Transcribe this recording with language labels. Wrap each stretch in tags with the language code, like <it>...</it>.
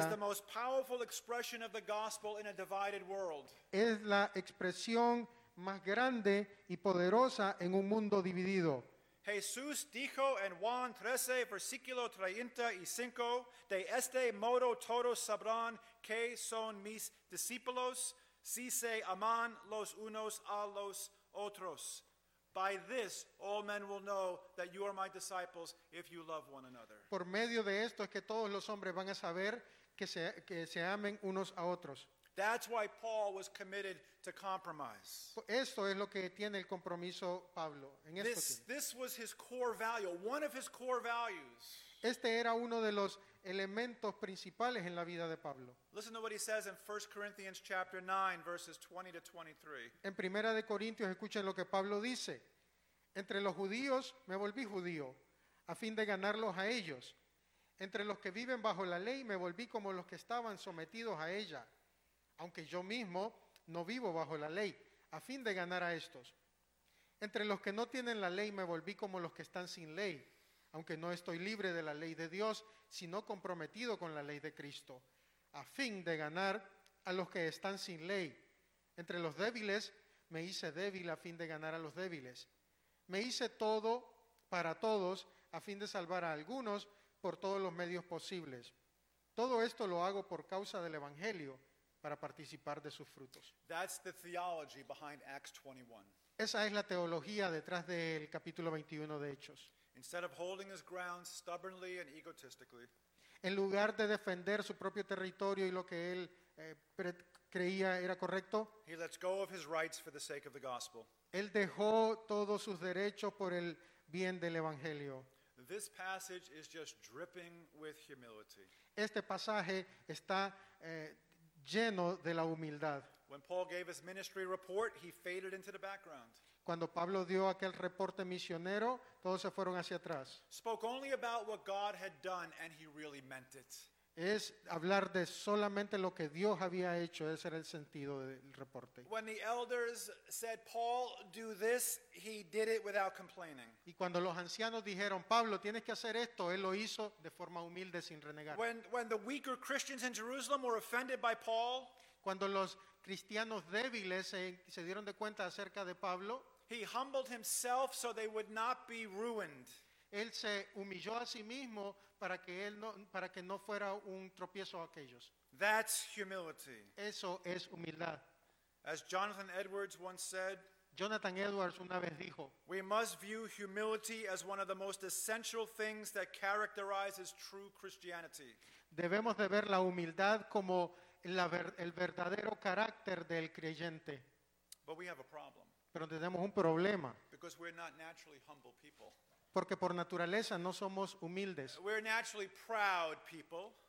<en>is the most powerful expression of the gospel in a divided world.</en> <es>Es la expresión más grande y poderosa en un mundo dividido. Jesús dijo en Juan 13, versículo 35, de este modo todos sabrán que son mis discípulos, si se aman los unos a los otros.</es> <en>By this all men will know that you are my disciples if you love one another.</en> <es>Por medio de esto es que todos los hombres van a saber que se amen unos a otros.</es> <en>That's why Paul was committed to compromise.</en> <es>Esto es lo que tiene el compromiso Pablo.</es> <en>This was his core value, one of his core values.</en> <es>Este era uno de los elementos principales en la vida de Pablo.</es> <en>Listen to what he says in 1 Corinthians chapter 9, verses 20 to 23.</en> <es>En Primera de Corintios, escuchen lo que Pablo dice. Entre los judíos me volví judío, a fin de ganarlos a ellos. Entre los que viven bajo la ley me volví como los que estaban sometidos a ella, aunque yo mismo no vivo bajo la ley, a fin de ganar a estos. Entre los que no tienen la ley me volví como los que están sin ley, aunque no estoy libre de la ley de Dios, sino comprometido con la ley de Cristo, a fin de ganar a los que están sin ley. Entre los débiles me hice débil a fin de ganar a los débiles. Me hice todo para todos a fin de salvar a algunos por todos los medios posibles. Todo esto lo hago por causa del Evangelio, para participar de sus frutos.</es> <en>That's the theology behind Acts 21.</en> <es>Esa es la teología detrás del capítulo 21 de Hechos.</es> <en>Instead of holding his ground stubbornly and egotistically,</en> <es>en lugar de defender su propio territorio y lo que él creía era correcto,</es> <en>he lets go of his rights for the sake of the gospel.</en> <es>Él dejó todos sus derechos por el bien del evangelio.</es> <en>This passage is just dripping with humility.</en> <es>Este pasaje está lleno de la humildad.</es> <en>When Paul gave his ministry report, he faded into the background.</en> <es>Cuando Pablo dio aquel reporte misionero, todos se fueron hacia atrás.</es> <en>Spoke only about what God had done, and he really meant it.</en> <es>Es hablar de solamente lo que Dios había hecho. Ese era el sentido del reporte.</es> <en>When the elders said, Paul, do this, he did it without complaining.</en> <es>Y cuando los ancianos dijeron, Pablo, tienes que hacer esto, él lo hizo de forma humilde, sin renegar.</es> <en>When the weaker Christians in Jerusalem were offended by Paul,</en> <es>cuando los cristianos débiles se dieron de cuenta acerca de Pablo,</es> <en>he humbled himself so they would not be ruined.</en> <es>Él se humilló a sí mismo para que él no, para que no fuera un tropiezo a aquellos.</es> <en>That's humility.</en> <es>Eso es humildad.</es> <en>As Jonathan Edwards once said,</en> <es>Jonathan Edwards una vez dijo,</es> <en>we must view humility as one of the most essential things that characterizes true Christianity.</en> <es>Debemos de ver la humildad como la el verdadero carácter del creyente.</es> <en>But we have a problem.</en> <es>Pero tenemos un problema.</es> <en>Because we're not naturally humble people.</en> <es>Porque por naturaleza no somos humildes.</es> <en>We're naturally proud people.</en>